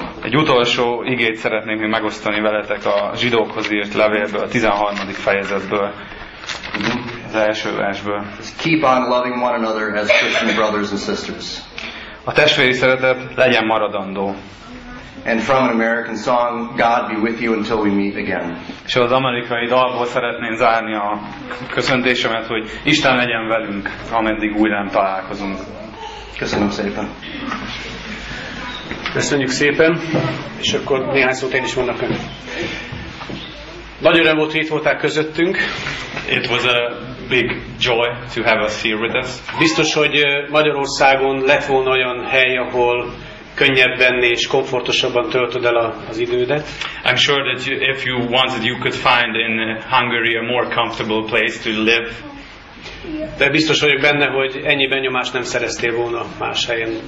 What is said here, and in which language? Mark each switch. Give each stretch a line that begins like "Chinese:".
Hungarian: Egy utolsó igét szeretnék még megosztani veletek a zsidókhoz írt levélből, a 13. fejezetből. Az első versből.
English: Keep on loving one another as Christian brothers and sisters.
Hungarian: A testvéri szeretet legyen maradandó.
English: And from an American song, God be with you until we meet again.
Hungarian: És az amerikai dalból szeretném zárni a köszöntésemet, hogy Isten legyen velünk, ameddig újra nem találkozunk. Köszönöm szépen. Köszönjük szépen, és akkor néhány szót én is mondok önök. Nagy öröm volt, hogy itt voltál közöttünk.
English: It was a big joy to have us here with us.
Hungarian: Biztos, hogy Magyarországon lett volna olyan hely, ahol könnyebben és komfortosabban töltöd el az idődet.
English: I'm sure that you, if you wanted, you could find in Hungary a more comfortable place to live.
Hungarian: De biztos vagyok benne, hogy ennyi benyomást nem szereztél volna más helyen.